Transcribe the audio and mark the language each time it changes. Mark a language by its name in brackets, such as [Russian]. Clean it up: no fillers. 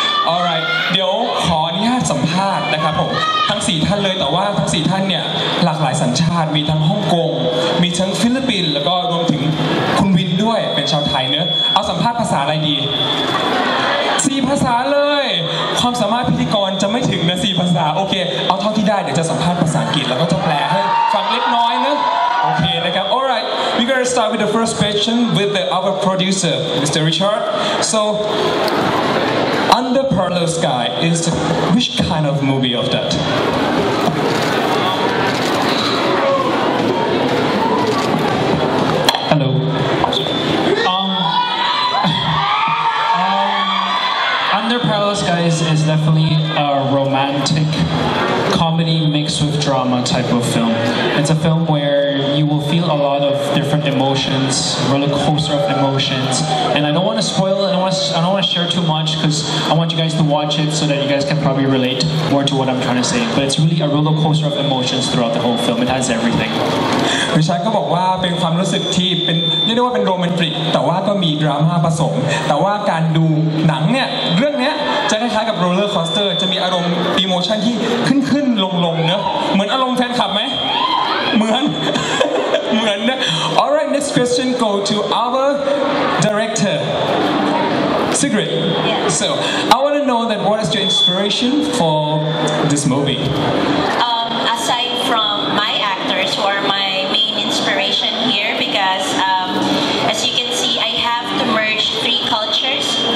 [English] All right, เดี๋ยวขออนุญาตสัมภาษณ์นะครับผมทั้ง4ท่านเลยแต่ว่าทั้ง4ท่านเนี่ยหลากหลายสัญชาติมีทั้งฮ่องกงมีทั้งฟิลิปปินส์แล้วก็รวมถึงคุณวินด้วยเป็นชาวไทยเนอะเอาสัมภาษณ์ภาษาอะไรดี4ภาษาเลยความสามารถพิธีกรจะไม่ถึงนะ4ภาษาโอเคเอาเท่าที่ได้เดี๋ยวจะสัมภาษณ์ภาษาอังกฤษแล้วก็จะแปลให้ฟังเล็กน้อยนะโอเคนะครับ All right we're going to start with the first question with our producer Mr. Richard So Under Parallel Sky is which kind of movie of that Hello Under Parallel Sky is definitely a romantic comedy mixed with drama type of film. It's a film where you will feel a lot of different emotions, roller coaster of emotions. And I don't want to spoil it. I don't want to share too much because I want you guys to watch it so that you guys can probably relate more to what I'm trying to say. But it's really a roller coaster of emotions throughout the whole film. It has everything. [Thai] วิชัยก็บอกว่าเป็นความรู้สึกที่เป็นเรียกได้ว่าเป็นโรแมนติกแต่ว่าก็มีดราม่าผสมแต่ว่าการดูหนังเนี่ยเรื่องนี้จะคล้ายๆกับโรลเลอร์คอสเตอร์จะมีอารมณ์อีโมชันที่ขึ้นๆลงๆเนอะเหมือนอารมณ์แฟนคลับไหมเหมือนนะ [English] alright next question go to our director Sigrid yes. so I want to know that what is your inspiration for this movie aside from my actors who are my main inspiration here becauseas you can see I have to merge three cultures